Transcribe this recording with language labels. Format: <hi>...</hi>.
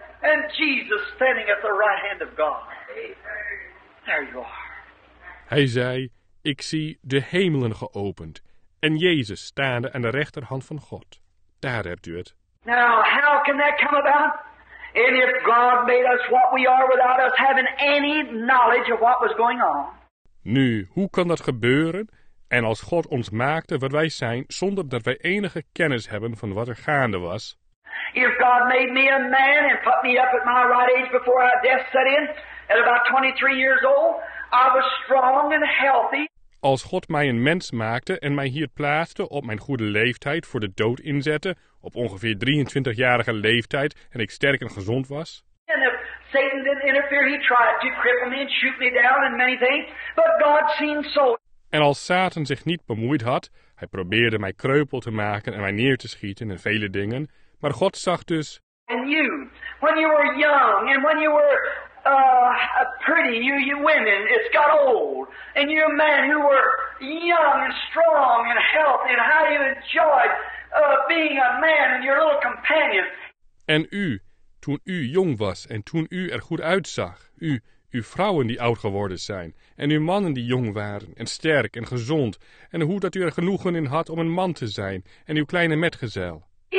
<en>And Jesus standing at the right hand of God. There you are.</en> <nl>Hij zei, ik zie de hemelen geopend en Jezus staande aan de rechterhand van God. Daar hebt u het.</nl> <en>Now, how can that come about? And if God made us what we are without us having any knowledge of what was going on.</en> <nl>Nu, hoe kan dat gebeuren? En als God ons maakte wat wij zijn zonder dat wij enige kennis hebben van wat er gaande was.</nl> <en>If God made me a man and put me up at my right age before our death set in, at about 23 years old, I was strong and healthy.</en> <nl>Als God mij een mens maakte en mij hier plaatste op mijn goede leeftijd voor de dood inzette, op ongeveer 23-jarige leeftijd en ik sterk en gezond was.</nl> <en>And if Satan didn't interfere, he tried to cripple me and shoot me down and many things, but God seen so.</en> <nl>En als Satan zich niet bemoeid had, hij probeerde mij kreupel te maken en mij neer te schieten en vele dingen. Maar God zag dus.</nl> <en>And you, when you were young and when you were pretty, you women, it's got old. And you men who were young and strong and healthy, and how you enjoyed being a man and your little companion.</en> <nl>En u, toen u jong was en toen u er goed uitzag, uw vrouwen die oud geworden zijn, en uw mannen die jong waren en sterk en gezond, en hoe dat u er genoegen in had om een man te zijn en uw kleine metgezel.</nl>